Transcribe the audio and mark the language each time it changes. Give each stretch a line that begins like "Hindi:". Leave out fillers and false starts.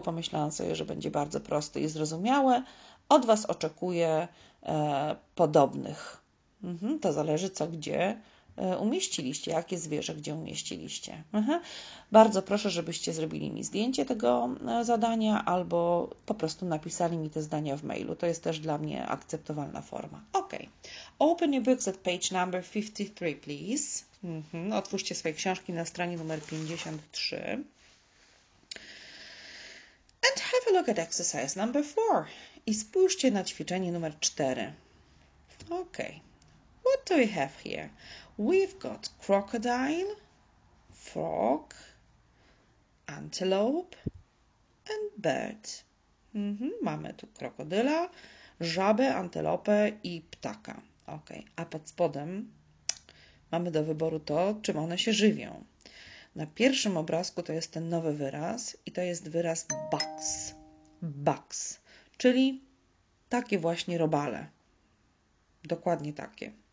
Polish: Pomyślałam sobie, że będzie bardzo prosty i zrozumiały. Od Was oczekuję podobnych. To zależy, co gdzie umieściliście, jakie zwierzę gdzie umieściliście. Bardzo proszę, żebyście zrobili mi zdjęcie tego zadania albo po prostu napisali mi te zdania w mailu. To jest też dla mnie akceptowalna forma. Ok.
English: Open your books at page number 53, please.
Polish: Otwórzcie swoje książki na stronie numer 53.
English: And have a look at exercise number 4.
Polish: I spójrzcie na ćwiczenie numer 4.
English: Ok. What do we have here? We've got crocodile, frog, antelope and bird.
Polish: Mamy tu krokodyla, żabę, antelopę i ptaka. Ok, a pod spodem mamy do wyboru to, czym one się żywią. Na pierwszym obrazku to jest ten nowy wyraz i to jest wyraz bugs. Bugs, czyli takie właśnie robale. Dokładnie takie.